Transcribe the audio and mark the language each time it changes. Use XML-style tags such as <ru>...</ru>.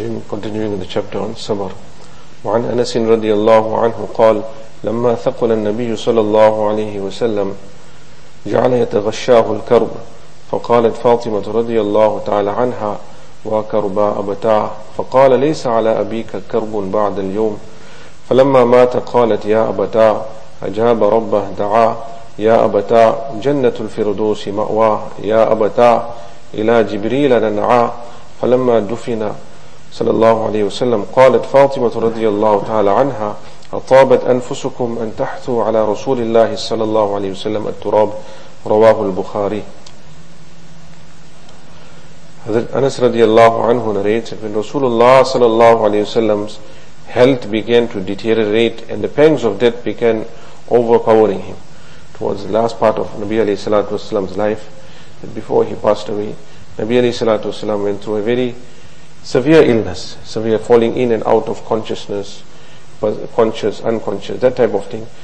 <en>Continuing the chapter on sabr.</en> <ar>وعن أنس رضي الله عنه قال لما ثقل النبي صلى الله عليه وسلم جعل يتغشاه الكرب فقالت فاطمة رضي الله تعالى عنها وكربا أبتاه فقال ليس على أبيك كرب بعد اليوم فلما مات قالت يا أبتاه أجاب ربه دعا يا أبتاه جنة الفردوس مأواه يا أبتاه إلى جبريل لنعى فلما دفن صلى الله عليه وسلم قالت فاطمة رضي الله تعالى عنها أطابت أنفسكم أن تحثوا على رسول الله صلى الله عليه وسلم التراب رواه البخاري.</ar> <en>Anas radiallahu anhu narrates that when Rasulullah sallallahu alayhi wa sallam's health began to deteriorate and the pangs of death began overpowering him towards the last part of Nabi alayhi salatu wa sallam's life, that before he passed away, Nabi alayhi salatu wa sallam went through a very severe illness, severe falling in and out of consciousness, conscious, unconscious, that type of thing.</en>